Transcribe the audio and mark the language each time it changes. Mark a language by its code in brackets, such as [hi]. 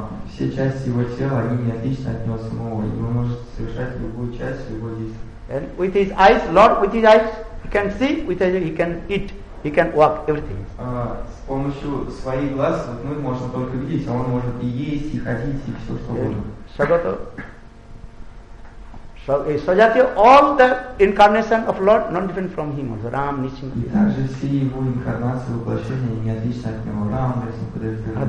[ru] Все части его тела, они не отличны от него самого. И он может совершать любую часть его действия. [en] And with his eyes, Lord, with his eyes, he can see, with his eyes, he can eat, he can walk, everything. [ru] С помощью своих глаз, вот мы можем только видеть, а он может и есть, и ходить, и все что угодно. [en] So, Sajatya, all the incarnation of Lord, non different from him also, Ram, Nishimha. [ru] И также все его инкарнации, воплощения, не отличны от него, Рам, Нисимха, Девятирам.